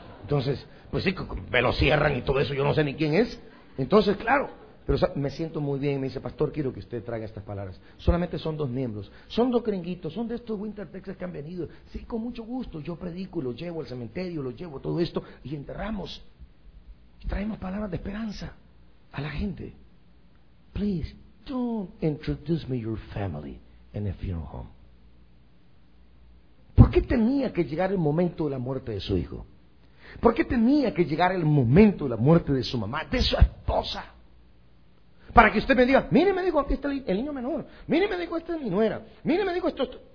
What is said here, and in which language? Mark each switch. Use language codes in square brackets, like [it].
[es] Entonces, pues sí, me lo cierran y todo eso, yo no sé ni quién es. Entonces, claro, pero o sea, me siento muy bien. Me dice, pastor, quiero que usted traiga estas palabras. Solamente son dos miembros, son dos gringuitos, son de estos Winter Texas que han venido. Sí, con mucho gusto, yo predico, lo llevo al cementerio, lo llevo todo esto, y enterramos. Y traemos palabras de esperanza a la gente. [en] Please, don't introduce me your family in a funeral home. [es] ¿Por qué tenía que llegar el momento de la muerte de su hijo? ¿Por qué tenía que llegar el momento de la muerte de su mamá, de su esposa? Para que usted me diga, mire, me dijo, aquí está el niño menor. Mire, me dijo, esta es mi nuera. Mire, me dijo, esto.